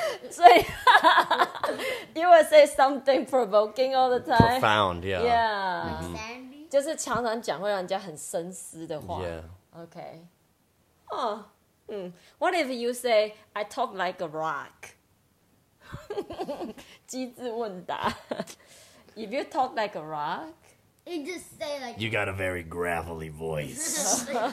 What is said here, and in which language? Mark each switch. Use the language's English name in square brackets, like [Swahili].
[English] So you would say something provoking all the time. Profound, yeah. Yeah. Sandy? [Chinese] 就是常常讲会让人家很深思的话. [English] Yeah. Okay. Oh. What if you say, I talk like a rock? [Chinese] 机智问答. [English] If you talk like a rock. You just say like. You got a very gravelly voice.